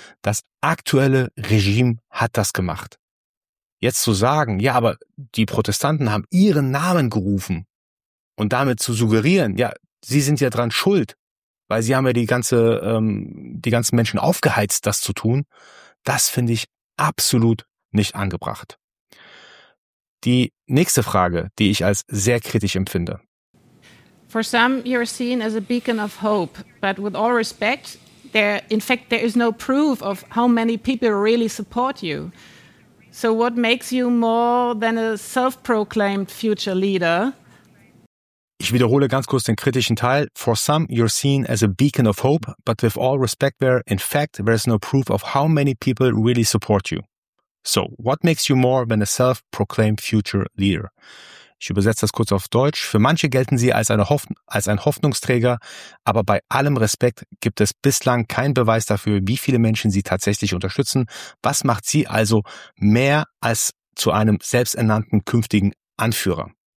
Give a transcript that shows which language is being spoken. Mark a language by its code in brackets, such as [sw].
[de] Das aktuelle Regime hat das gemacht. Jetzt zu sagen, ja, aber die Protestanten haben ihren Namen gerufen und damit zu suggerieren, ja, sie sind ja dran schuld, weil sie haben ja die ganzen Menschen aufgeheizt, das zu tun. Das finde ich absolut nicht angebracht. Die nächste Frage, die ich als sehr kritisch empfinde. [en] For some, you're seen as a beacon of hope. But with all respect, there is no proof of how many people really support you. So what makes you more than a self-proclaimed future leader? [de] Ich wiederhole ganz kurz den kritischen Teil. [en] For some, you're seen as a beacon of hope. But with all respect, there is no proof of how many people really support you. So what makes you more than a self-proclaimed future leader? [de] Ich übersetze das kurz auf Deutsch. Für manche gelten sie als ein Hoffnungsträger, aber bei allem Respekt gibt es bislang keinen Beweis dafür, wie viele Menschen sie tatsächlich unterstützen. Was macht sie also mehr als zu einem selbsternannten künftigen Anführer?